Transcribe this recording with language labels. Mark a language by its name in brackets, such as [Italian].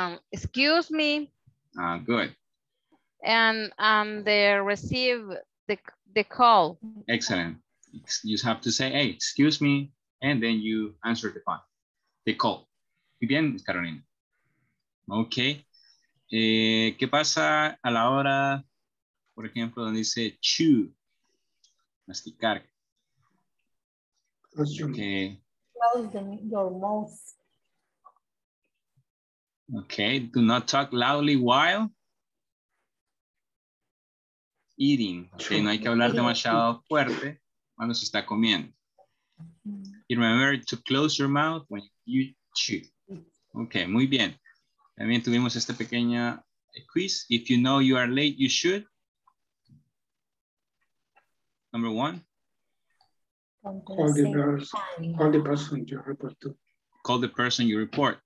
[English] Excuse me. Good. And they receive the call. Excellent. You have to say, hey, excuse me. And then you answer the phone, the call. [Spanish] Muy bien, Carolina. Okay. ¿Qué pasa a la hora, por ejemplo, donde dice chew, masticar? [English] Okay. Close your mouth. Okay. Do not talk loudly while eating. Okay. [Spanish] No hay que hablar demasiado fuerte cuando se está comiendo. [English] You remember to close your mouth when you chew. Okay, [Spanish] muy bien. También tuvimos esta pequeña quiz. [English] If you know you are late, you should. Number one. Call the person you report.